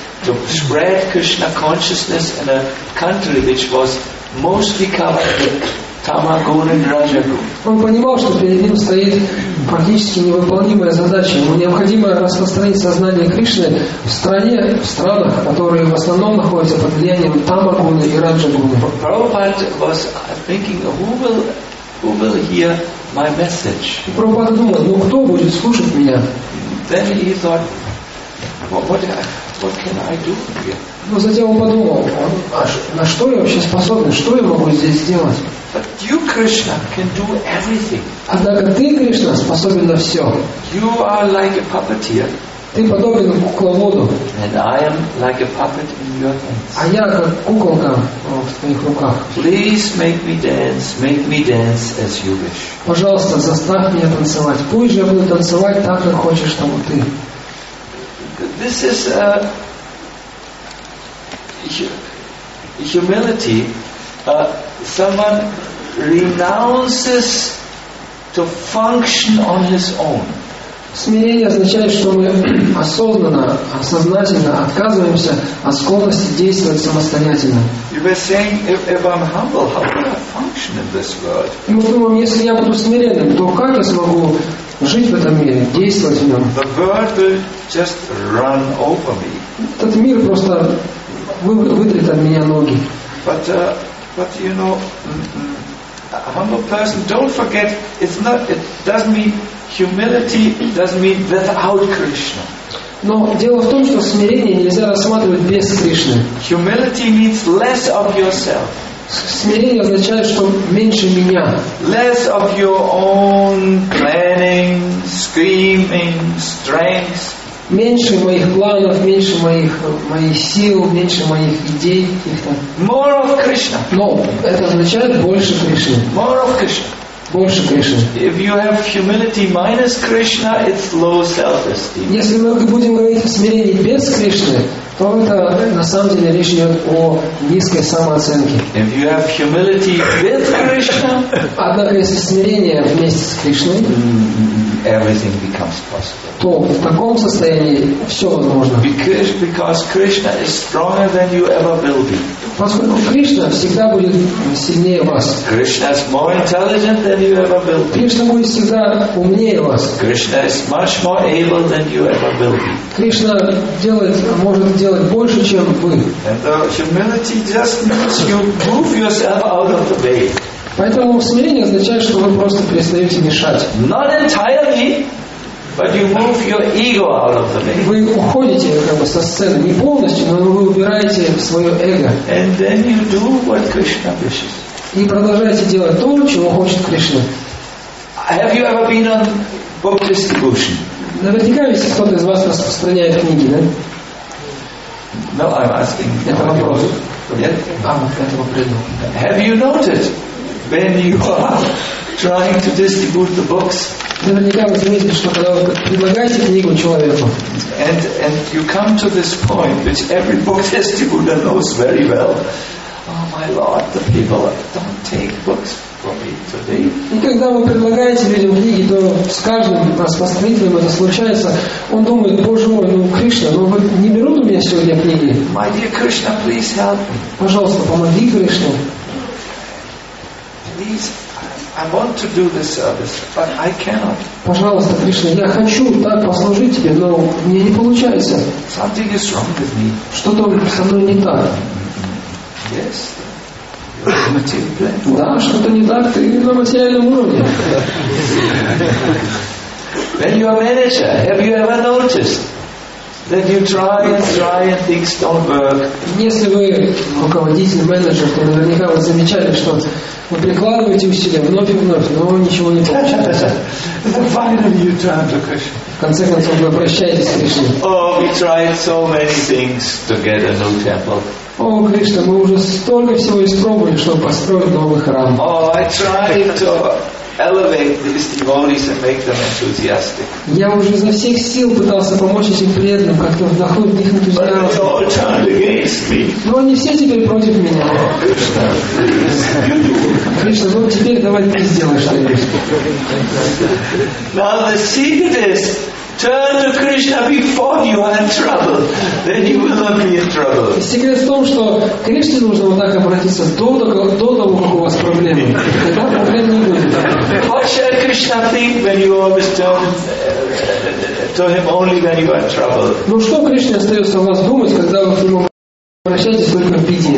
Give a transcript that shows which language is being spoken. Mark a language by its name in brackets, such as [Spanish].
[English] To spread Krishna consciousness in a country which was mostly covered with tamaguna and rajaguna. [Russian] Он понимал, что перед ним стоит практически невыполнимая задача. Ему необходимо распространить сознание Кришны в стране, в странах, которые в основном находятся под влиянием тамагуны и раджагуны. [English] Prabhupada was thinking, who will hear my message? [Russian] Prabhupada думал, ну кто будет слушать меня? [English] Then he thought, What can I do here? [Russian] Но затем он подумал, на что я вообще способен, что я могу здесь сделать? [English] But you, Krishna, can do everything. [Russian] Однако ты, Кришна, способен на все. [English] You are like a puppeteer. [Russian] Ты подобен кукловоду. [English] And I am like a puppet in your hands. [Russian] А я как куколка в твоих руках. [English] Please make me dance as you wish. [Russian] Пожалуйста, заставь меня танцевать. Пусть же я буду танцевать так, как хочешь, чтобы ты. [English] This is humility. Someone renounces to function on his own. [Russian] Смирение означает, что мы осознанно, сознательно отказываемся от склонности действовать самостоятельно. [English] You were saying, if I'm humble, how can I function in this world? [Russian] Мы думаем, если я буду смиренным, то как я смогу жить в этом мире, действовать в нем. [English] The world just run over me. [Russian] Этот мир просто вытрет от меня ноги. [English] But you know, a humble person, don't forget, it doesn't mean humility, it doesn't mean without Krishna. [Russian] Но дело в том, что смирение нельзя рассматривать без Кришны. [English] Humility means less of yourself. [Russian] Смирение означает, что меньше меня. [English] Less of your own planning, screaming, strength. [Russian] Меньше моих планов, меньше моих сил, меньше моих идей каких-то. [English] More of Krishna. [Russian] Но это означает больше Кришны. [English] More of Krishna. [Russian] Больше Кришны. [English] If you have humility minus Krishna, it's low self-esteem. [Russian] Если мы будем говорить о смирении без Кришны, то это на самом деле речь идет о низкой самооценке. [English] If you have humility with Krishna, [Russian] однако если смирение вместе с Кришной, [English] everything becomes possible. [Russian] То в таком состоянии все возможно. [English] Because Krishna is stronger than you ever will be. [Russian] Поскольку Кришна всегда будет сильнее вас. [English] Krishna is more intelligent than you ever will be. [Russian] Кришна будет всегда умнее вас. [English] Krishna is much more able than you ever will be. [Russian] Кришна может делать больше, чем вы. [English] And humility just means you move yourself out of the way. [Russian] Поэтому смирение означает, что вы просто перестаете мешать. [English] Not entirely, but you move your ego out of the way. [Russian] Вы уходите как бы со сцены не полностью, но вы убираете свое эго. [English] And then you do what Krishna wishes. [Russian] И продолжаете делать то, чего хочет Кришна. [English] Have you ever been on book distribution? [Russian] Наверняка, если кто-то из вас распространяет книги, да? [English] No, I'm asking. [Russian] Это вопрос. [English] Have you noted? When you are trying to distribute the books, [Russian] наверняка вы заметили, что когда вы предлагаете книгу человеку, [English] and you come to this point, which every book distributor knows very well. Oh my Lord, the people don't take books from me today. [Russian] И когда вы предлагаете людям книги, то с каждым распространителем это случается. Он думает: Боже мой, ну Кришна, ну вы не берут у меня сегодня книги. [English] My dear Krishna, please help me. [Russian] Пожалуйста, помоги Кришне. [English] Please, I want to do this service, but I cannot. [Russian] Пожалуйста, Кришна, я хочу так послужить тебе, но мне не получается. [English] Something is wrong with me. [Russian] Что-то со мной не так. [English] Yes. [Russian] Да, что-то не так. Ты на материальном уровне. [English] When you are manager, have you ever noticed that you try and things don't work? [Russian] Если вы руководитель, менеджер, то наверняка вы замечали, что вы прикладываете усилия вновь и вновь, но ничего не получается. В конце концов, вы обращаетесь к Кришне. [English] Oh, we tried so many things to get a new temple. [Russian] О, Кришна, мы уже столько всего испробовали, чтобы построить новый храм. [English] Oh, I tried to elevate these devotees and make them enthusiastic. [Russian] Я уже изо всех сил пытался помочь этим преданным, как-то вдохнуть их энтузиазм. [English] But they all turned against me. [Russian] Но они все теперь против меня. Кришна, Кришна, ну теперь давай ты сделаешь что-нибудь. [English] Now the secret is turn to Krishna before you are in trouble. Then you will not be in trouble. [Russian] И секрет в том, что Кришне нужно вот так обратиться до того, как у вас проблемы. Тогда проблем не будет. [English] What shall Krishna think when you always turn to him only when you are in trouble? [Russian] Ну что Кришне остается у вас думать, когда вы к нему обращаетесь только в беде?